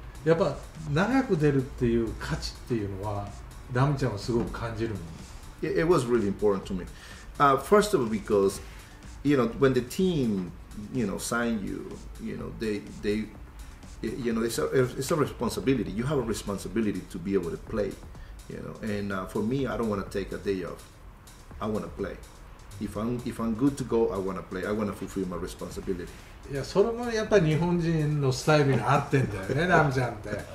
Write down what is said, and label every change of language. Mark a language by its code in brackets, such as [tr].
[ja] やっぱ長く出るっていう価値っていうのは、ラミちゃんはすごく感じるもん。 [en] It was really important to me. First of all, because you know, when the team you know, sign you, you know, they you know, it's a responsibility. You have a responsibility to be able to play, you know. And for me, I don't want to take a day off. I want to play. If I'm good to go, I want to play. I want to fulfill my responsibility. [ja] Yeah, それもやっぱり日本人のスタイルに合ってんだよね、ラムちゃんって。